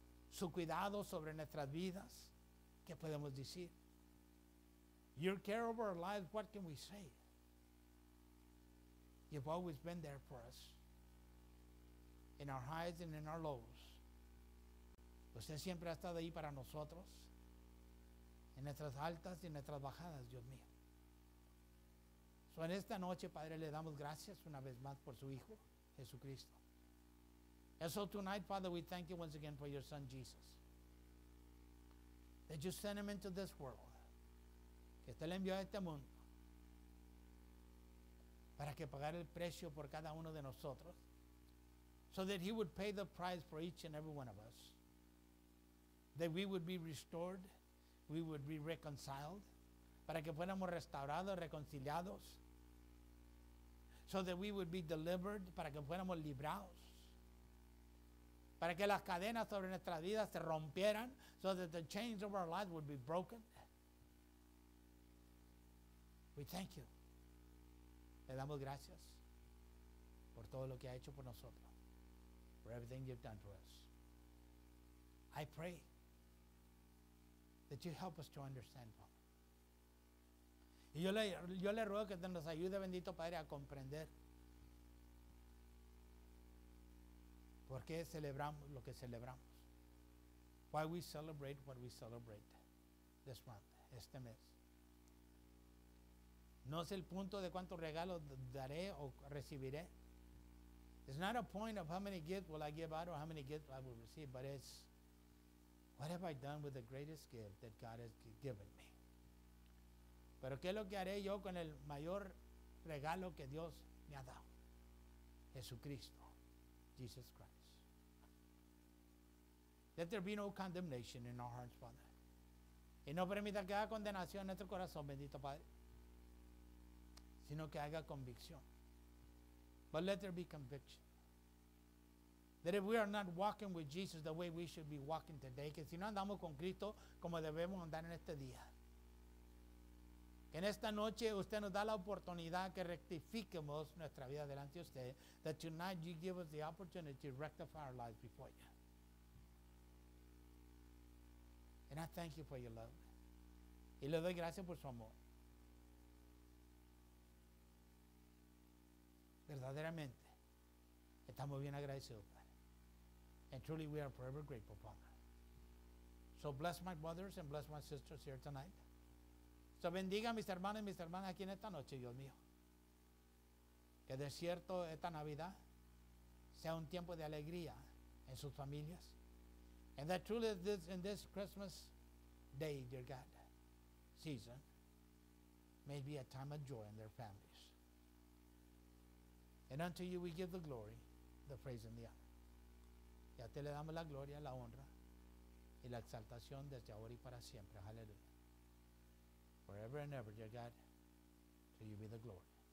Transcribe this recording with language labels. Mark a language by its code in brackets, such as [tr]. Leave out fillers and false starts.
[es] Su cuidado sobre nuestras vidas, ¿qué podemos decir? [en] Your care over our lives, what can we say? You've always been there for us, in our highs and in our lows. [es] Usted siempre ha estado ahí para nosotros, en nuestras altas y en nuestras bajadas, Dios mío. So en esta noche, Padre, le damos gracias una vez más por su Hijo, Jesucristo. [en] And so tonight, Father, we thank you once again for your Son, Jesus. That you sent him into this world. [es] Que usted le envió a este mundo. Para que pagara el precio por cada uno de nosotros. [en] So that he would pay the price for each and every one of us. That we would be restored. We would be reconciled. [es] Para que fuéramos restaurados, reconciliados. [en] So that we would be delivered. [es] Para que fuéramos librados. Para que las cadenas sobre nuestras vidas se rompieran. [en] So that the chains of our lives would be broken. We thank you. [es] Le damos gracias por todo lo que ha hecho por nosotros. [en] For everything you've done for us. I pray that you help us to understand, Father. [es] Y yo le ruego que nos ayude, bendito Padre, a comprender por qué celebramos lo que celebramos. [en] Why we celebrate what we celebrate this month, [es] este mes. No es el punto de cuántos regalos daré o recibiré. [en] It's not a point of how many gifts will I give out or how many gifts I will receive, but it's what have I done with the greatest gift that God has given me. [es] Pero qué es lo que haré yo con el mayor regalo que Dios me ha dado. Jesucristo. Jesus Christ. [en] Let there be no condemnation in our hearts, Father. [es] Y no permita que haya condenación en nuestro corazón, bendito Padre. Sino que haga convicción. [en] But let there be conviction. That if we are not walking with Jesus the way we should be walking today, [es] que si no andamos con Cristo como debemos andar en este día. Que en esta noche usted nos da la oportunidad que rectifiquemos nuestra vida delante de usted. [en] That tonight you give us the opportunity to rectify our lives before you. And I thank you for your love. [es] Y le doy gracias por su amor. Verdaderamente, estamos bien agradecidos, Padre. [en] And truly we are forever grateful, Father. So bless my brothers and bless my sisters here tonight. [es] So bendiga a mis hermanos y mis hermanas aquí en esta noche, Dios mío. Que de cierto esta Navidad sea un tiempo de alegría en sus familias. [en] And that truly this, in this Christmas day, dear God, season, may be a time of joy in their families. And unto you we give the glory, the praise and the honor. [es] Y a ti le damos la gloria, la honra y la exaltación desde ahora y para siempre. Aleluya. [en] Forever and ever, dear God, to you be the glory.